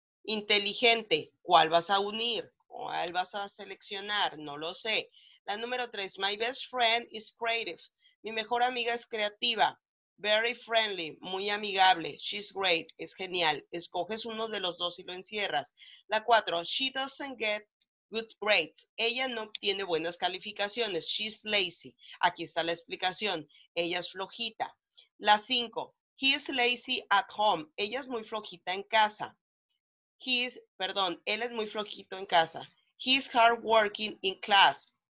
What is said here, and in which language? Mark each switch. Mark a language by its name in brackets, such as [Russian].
[Spanish] Inteligente, ¿cuál vas a unir? ¿Cuál vas a seleccionar? No lo sé. La número 3, [English] my best friend is creative. [Spanish] Mi mejor amiga es creativa. [English] Very friendly, [Spanish] muy amigable. [English] She's great, [Spanish] es genial. Escoges uno de los dos y lo encierras. [English] La 4, she doesn't get good grades. [Spanish] Ella no obtiene buenas calificaciones. [English] She's lazy. [Spanish] Aquí está la explicación. Ella es flojita. La 5, [English] he is lazy at home. [Spanish] Ella es muy flojita en casa. Él es muy flojito en casa. [English] He's hardworking in class.